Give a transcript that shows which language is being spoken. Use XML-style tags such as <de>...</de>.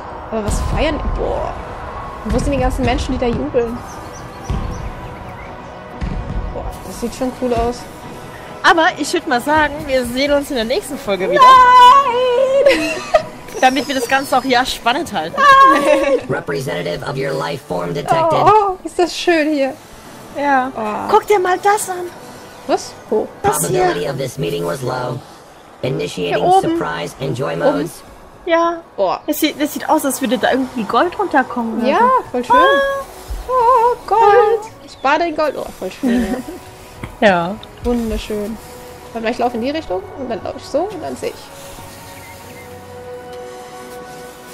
<de>Aber was feiern die? Boah. Wo sind die ganzen Menschen, die da jubeln? Boah, das sieht schon cool aus. Aber ich würde mal sagen, wir sehen uns in der nächsten Folge Nein! wieder. Nein! Damit wir das Ganze auch ja spannend halten.</de> <en>Representative of your life form detected.</en> <de>Oh, ist das schön hier. Ja. Oh. Guck dir mal das an. Was? Wo? Oh. Das hier.</de> <en>Probability of this meeting was low. Initiating</en> <de>hier oben.</de> <en>Surprise enjoy modes.</en> <de>Oben. Ja. Boah. Das sieht aus, als würde da irgendwie Gold runterkommen. Ja, voll schön. Oh, Gold. Ich bade in Gold. Oh, voll schön. Ja. Wunderschön. Warte mal, ich laufe in die Richtung und dann laufe ich so und dann sehe ich.</de>